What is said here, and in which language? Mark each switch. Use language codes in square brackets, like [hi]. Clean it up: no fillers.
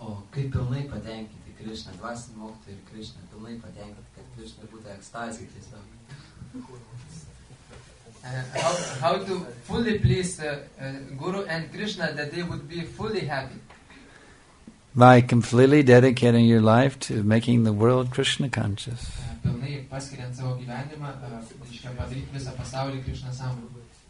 [lt] Kaip pilnai patenkinti Krishna, dvasinį mokytoją ir Krishna, pilnai patenkinti, kad Krishna būtų ekstazė tiesiog. [en] How to fully please Guru and Krishna that they would be fully happy? By completely dedicating your life to making the world Krishna conscious. [lt] Pilnai paskiriant savo gyvenimą, padaryti visą pasaulį Krishna sambūrį.